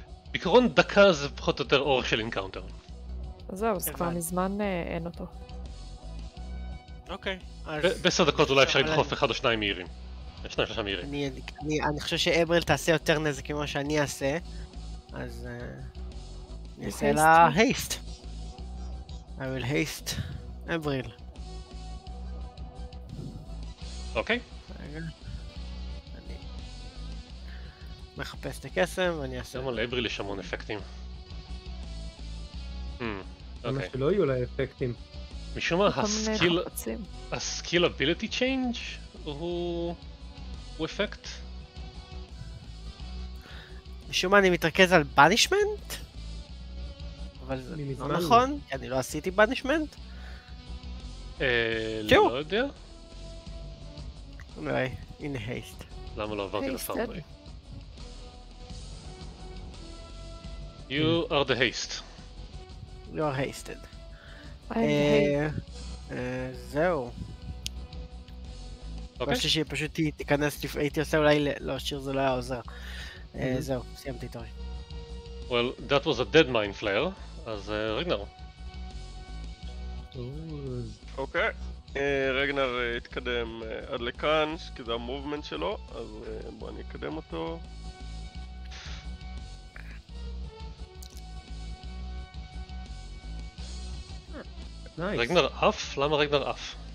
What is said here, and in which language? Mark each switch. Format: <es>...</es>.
<he>בעיקרון דקה זה פחות או יותר אורך של אינקאונטר. זהו, אז כבר מזמן אין אותו. אוקיי. בעשר דקות אולי אפשר לדחוף אחד או שניים מהירים. שניים, שלושה מהירים. אני חושב שאבריל תעשה יותר נזק ממה שאני אעשה. אז... אני אעשה לה הייסט.</he> <en>I will haste אבריל.</en> <he>אוקיי. אני מחפש את הקסם ואני אעשה... למה לאבריל יש המון אפקטים? ממש לא יהיו לה אפקטים. משום מה, הסקיל אביליטי צ'יינג' הוא אפקט? משום מה, אני מתרכז על בנישמנט? אבל זה לא נכון, כי אני לא עשיתי בנישמנט? לא יודע. אולי, הנה הייסט. למה לא עברתי לפארמרי?</he> <en>You are the haste. You are hasted.</en> <he>זהו. אוקיי. שהיא פשוט תיכנס, הייתי עושה אולי לא, שיר זה לא היה עוזר. זהו, סיימתי תורי.</he> <en>Well, that was a dead mind flare,</en> <he>אז רגנר. אוקיי. רגנר התקדם עד לכאן, כי זה המובמנט שלו, אז בוא אני אקדם אותו. רגנר אף? למה רגנר אף?</he>